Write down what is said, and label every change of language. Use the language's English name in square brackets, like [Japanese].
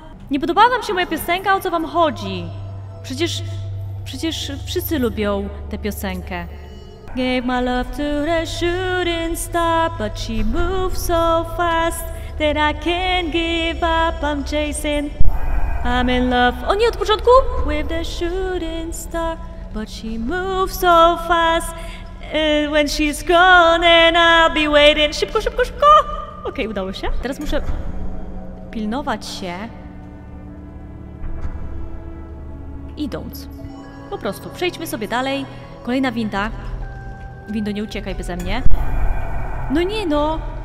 [Polish] Nie podobała wam się moja piosenka, o co wam chodzi? Przecież wszyscy lubią tę piosenkę. [English] Gave my love to a shooting star, but she moves so fast that I can't give up, I'm chasing. I'm in love. [Polish] O nie, od początku? [English] With the shooting star, but she moves so fast when she's gone and I'll be waiting. [Polish] Szybko, szybko, szybko! Okej, udało się. Teraz muszę pilnować się. Idąc. Po prostu, przejdźmy sobie dalej. Kolejna winda. Windo, nie uciekaj beze mnie. No nie no.